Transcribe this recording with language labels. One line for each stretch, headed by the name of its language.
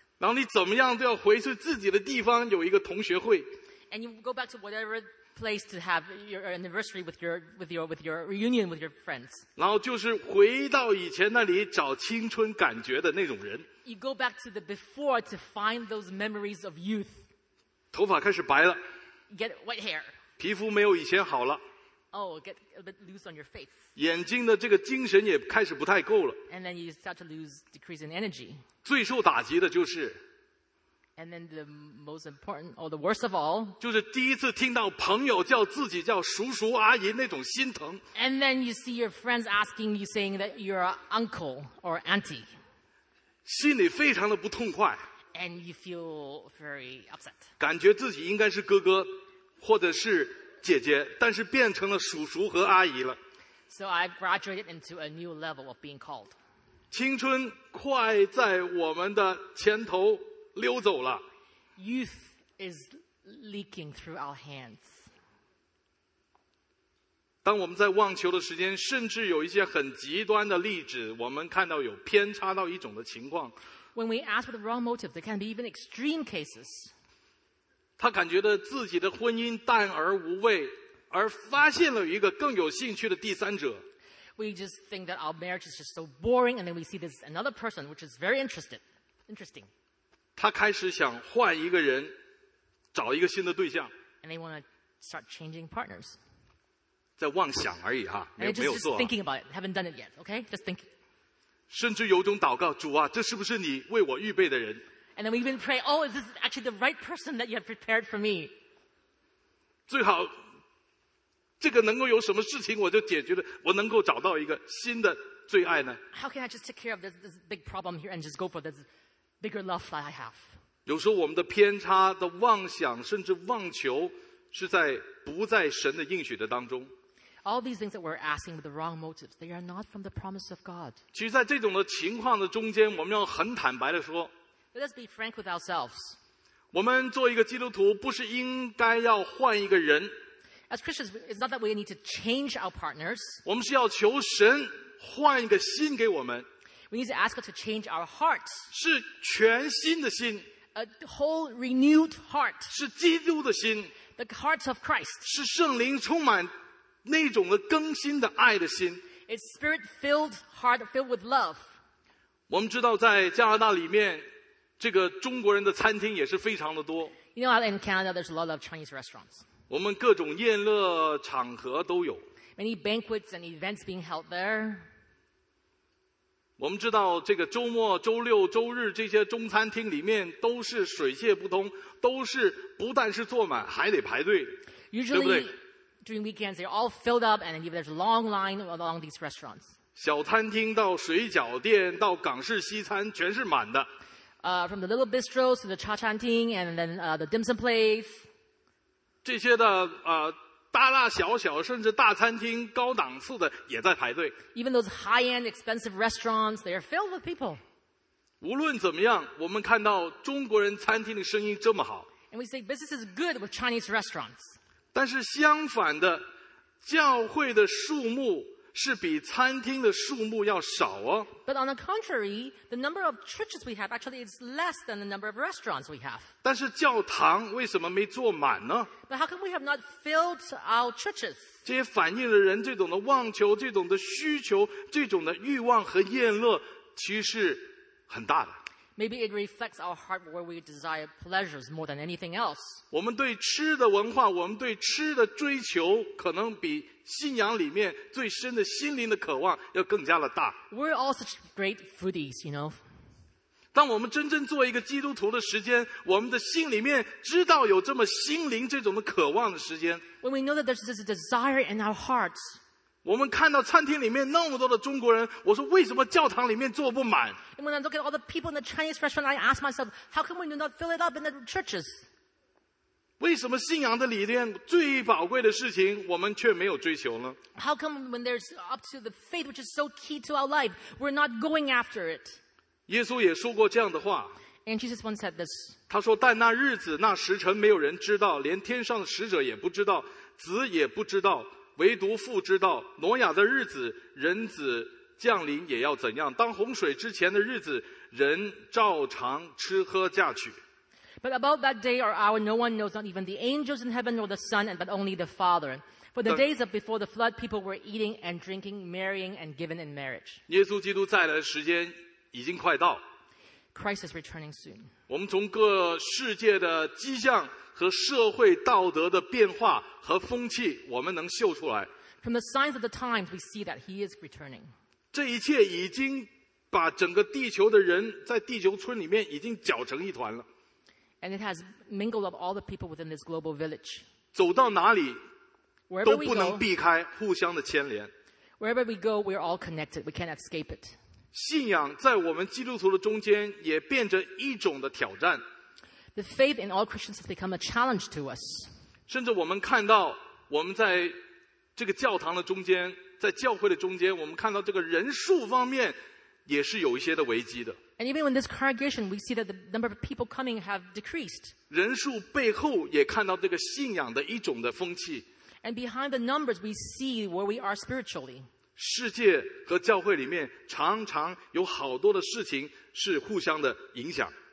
Chinese: 然后你怎么样都要回去自己的地方有一个同学会
English: and you go back to whateverplace to have your anniversary with your reunion with your friends.
Chinese: 然后就是回到以前那里找青春感觉的那种人。
English: You go back to the before to find those memories of youth.
Chinese: 头发开始白了。
English: Get white hair.
Chinese: 皮肤没有以前好了。
English: Oh, get a bit loose on your face.
Chinese: 眼睛的这个精神也开始不太够了。
English: And then you start to lose decrease in energy.
Chinese: 最受打击的就是
English: And then the most important, or the worst of all,
Chinese: 就是第一次听到朋友叫自己叫叔叔阿姨那种心疼。
English: And then you see your friends asking you, saying that you're an uncle or auntie.
Chinese: 心里非常的不痛快。
English: And you feel very upset.
Chinese: 感觉自己应该是哥哥或者是姐姐，但是变成了叔叔和阿姨了。
English: So I've graduated into a new level of being called.
Chinese: 青春快在我们的前头。溜走了。
English: Youth is leaking through our hands.
Chinese: 当我们在妄求的时间，甚至有一些很极端的例子，我们看到有偏差到一种的情况。
English: When we ask with the wrong motive, there can be even extreme cases.
Chinese: 他感觉到自己的婚姻淡而无味，而发现了一个更有兴趣的第三者。
English: We just think that our marriage is just so boring, and then we see this another person, which is very interesting.
Chinese: 他开始想换一个人，找一个新的对象。
English: And they want to start changing partners.
Chinese: 在妄想而已哈，没有做。
English: Just thinking about it, haven't done it yet. Okay, just thinking.
Chinese: 甚至有种祷告，主啊，这是不是你为我预备的人
English: ？And then we even pray, oh, is this actually the right person that you have prepared for me?
Chinese: 最好这个能够有什么事情，我就解决了，我能够找到一个新的最爱呢
English: ？How can I just take care of this big problem here and just go for this? Bigger love that I have.
Chinese: 有时候我们的偏差的妄想甚至妄求是在不在神的应许的当中。
English: All these things that we're asking with the wrong motives, they are not from the promise of God.
Chinese: 其实在这种的情况的中间我们要很坦白的说。
English: Let us be frank with ourselves.
Chinese: 我们做一个基督徒不是应该要换一个人。
English: As Christians, it's not that we need to change our partners.
Chinese: 我们是要求神换一个心给我们。
English: We need to ask God to change our hearts.
Chinese: 是全新的心。
English: A whole renewed heart.
Chinese: 是基督的心。
English: The heart of Christ.
Chinese: 是圣灵充满那种的更新的爱的心。
English: It's spirit-filled heart filled with love.
Chinese: 我们知道在加拿大里面，这个中国人的餐厅也是非常的多。
English: You know, in Canada, there's a lot of Chinese restaurants.
Chinese: 我们各种宴乐场合都有。
English: Many banquets and events being held there.
Chinese: 我们知道这个周末、周六、周日这些中餐厅里面都是水泄不通，都是不但是坐满，还得排队，
English: Usually,
Chinese: 对不对？
English: During weekends, they're all filled up, and even there's a long line along these restaurants.
Chinese: 小餐厅到水饺店到港式西餐全是满的。
English: From the little bistros to the cha cha ting, and then the dim sum place.
Chinese: 这些的大大小小，甚至大餐厅高档次的也在排队。
English: Even those high-end, expensive restaurants, they are filled with people.
Chinese: 无论怎么样，我们看到中国人餐厅的生意这么好。
English: And we say business is good with Chinese restaurants.
Chinese: 但是相反的，教会的数目是比餐厅的数目要少哦。
English: But on the contrary, the number of churches we have actually is less than the number of restaurants we have.
Chinese: 但是教堂为什么没坐满呢
English: ？But how come we have not filled our churches?
Chinese: 这些反映了人这种的妄求、这种的需求、这种的欲望和厌乐，其实是很大的。
English: Maybe it reflects our heart where we desire pleasures more than anything else.
Chinese: 我们对吃的文化，我们对吃的追求，可能比信仰里面最深的心灵的渴望要更加的大。
English: We're all such great foodies, you know.
Chinese: 当我们真正做一个基督徒的时间，我们的心里面知道有这么心灵这种的渴望的时间。
English: When we know that there's this desire in our hearts.
Chinese: 我们看到餐厅里面那么多的中国人，我说为什么教堂里面坐不满？
English: And when I look at all the people in the Chinese restaurant, I ask myself, how come we do not fill it up in the churches?
Chinese: 为什么信仰的理念最宝贵的事情我们却没有追求呢
English: ？How come when there's up to the faith which is so key to our life, we're not going after it?
Chinese: 耶稣也说过这样的话。
English: And Jesus once said this.
Chinese: 他说：“但那日子、那时辰，没有人知道，连天上的使者也不知道，子也不知道，唯独父知道。挪亚的日子，人子。” 降临也要怎样？当洪水之前的日子，人照常吃喝嫁娶。
English: But about that day or hour, no one knows, not even the angels in heaven nor the Son, but only the Father. For the days of before the flood, people were eating and drinking, marrying and given in marriage.
Chinese: 耶稣基督再来的时间已经快到。
English: Christ is returning soon.
Chinese: 我们从各世界的迹象和社会道德的变化和风气，我们能嗅出来。
English: From the signs of the times, we see that He is returning.
Chinese: 这一切已经把整个地球的人在地球村里面已经搅成一团了。
English: And it has mingled up all the people within this global village.
Chinese: 走到哪里
English: go,
Chinese: 都不能避开互相的牵连。
English: Wherever we go, we're all connected. We can't escape it.
Chinese: 信仰在我们基督徒的中间也变成一种的挑战。
English: The faith in all Christians has become a challenge to us.
Chinese: 甚至我们看到我们在这个教堂的中间在教会的中间我们看到这个人数方面也是有一些的危机的。
English: And even in this congregation, we see that the number of people coming have decreased.
Chinese: 人数背后也看到这个信仰的一种的风气。
English: And behind the numbers, we see where we are spiritually.
Chinese: 世界和教会里面常常有好多的事情是互相的影响。